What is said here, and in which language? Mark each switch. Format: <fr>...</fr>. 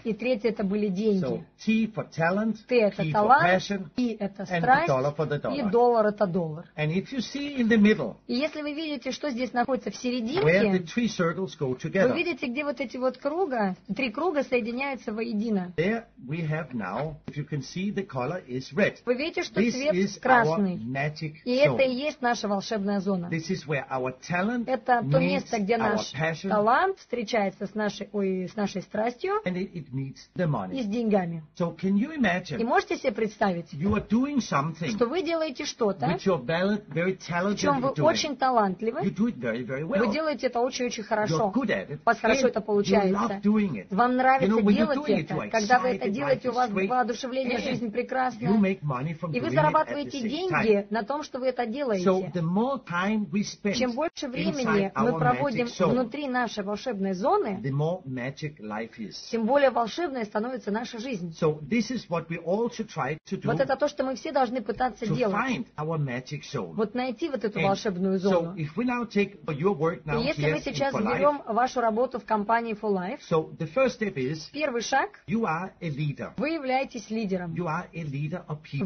<ru>И третье это были деньги.</ru> <en>So T for talent,</en> <ru>T это P талант,</ru> <en>for passion,</en> <ru>P это страсть,</ru> <en>and the dollar for the dollar.</en> <ru>И доллар это доллар.</ru> <en>And if you see in the middle,</en> <ru>и если вы видите, что здесь находится в серединке,</ru> <en>where the three circles go together,</en> <ru>вы видите, где вот эти вот круга, три круга соединяются воедино.</ru> <en>There we have now, if you can see, the color is red.</en> <ru>Вы видите, что</ru> <en>this</en> <ru>цвет</ru> <en>is</en> <ru>красный.</ru> <en>Our magic</en> <ru>и это и есть наша волшебная зона.</ru> <en>This is where our talent</en> <ru>это то место, где наш</ru> <en>passion,</en> <ru>талант встречается с нашей страстью</ru> <en>and it meets the money.</en> <ru>И с деньгами.</ru> <en>So can you imagine,</en> <ru>и можете себе представить,</ru> <en>you are doing something,</en> <ru>что вы делаете что-то,</ru> <en>very talented,</en> <ru>причем вы очень талантливы,</ru> <en>you do it very, very well.</en> <ru>Вы делаете это очень-очень хорошо,</ru> <en>you're good at it.</en> <ru>У вас хорошо это получается, вам нравится,</ru> <en>you know,</en> <ru>делать это,</ru> <en>excited,</en> <ru>когда вы это делаете, у вас воодушевление, жизнь прекрасна,</ru> <en>you make money from</en> <ru>и вы зарабатываете деньги на том, что вы это делаете.</ru> <en>So the more time we spend</en> <ru>чем больше времени мы проводим</ru> <en>zone,</en> <ru>внутри нашей волшебной зоны,</ru> <en>the more magic life is.</en> <ru>Тем более волшебной становится наша жизнь.</ru> <en>So this is what we all should try to do,</en> <ru>вот это то, что мы все должны пытаться</ru> <en>to</en> <ru>делать,</ru> <en>find our magic.</en> <ru>Вот найти вот эту волшебную зону. и если мы сейчас берем вашу работу в компании For Life,</ru> <en>so the first step is,</en> <ru>первый шаг,</ru> <en>you are a leader.</en> <ru>Вы являетесь лидером.</ru> <en>You are a leader of people.</en>